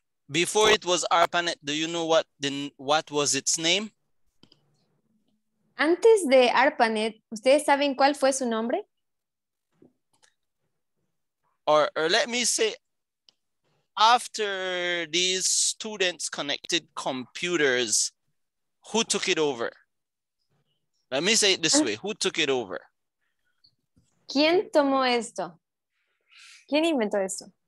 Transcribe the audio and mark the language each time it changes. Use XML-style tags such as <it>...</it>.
<en>Before it was ARPANET, do you know what was its name?</en> <es>Antes de ARPANET, ¿ustedes saben cuál fue su nombre?</es> <en>Or let me say, after these students connected computers, who took it over? Let me say it this way, who took it over?</en> <es>¿Quién tomó esto? ¿Quién inventó esto?</es>